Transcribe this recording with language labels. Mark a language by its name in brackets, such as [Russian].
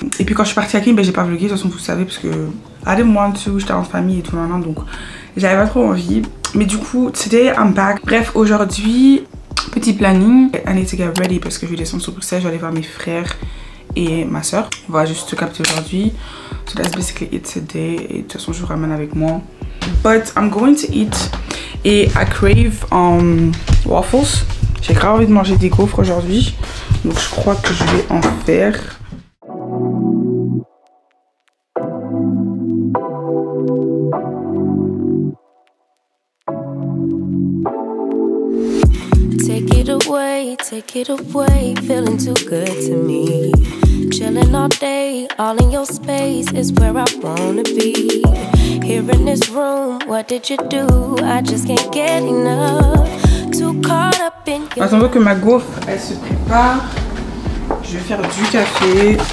[French] Et puis quand je suis partie à Kim, ben j'ai pas vlogué. De toute façon, vous savez parce que [English] I didn't want to, [French] j'étais en famille et tout maintenant. Donc j'avais pas trop envie. Mais du coup, [English] today I'm back. [French] Bref, aujourd'hui. Petit planning, [English] I need to get ready [French] parce que je vais descendre sur Bruxelles, je vais aller voir mes frères et ma soeur. On va juste capter aujourd'hui, [English] so that's basically it today, [French] et de toute façon je vous ramène avec moi. [English] But I'm going to eat, et I crave waffles. [French] J'ai grave envie de manger des gaufres aujourd'hui, donc je crois que je vais en faire. [English] Take it away, feeling too good to me. Chilling all day, all in your space is where I wanna be. Here in this room, what did you do? I just can't get enough. Too caught up in your... [French] Attendez que ma gaufre, elle se prépare. Je vais faire du café.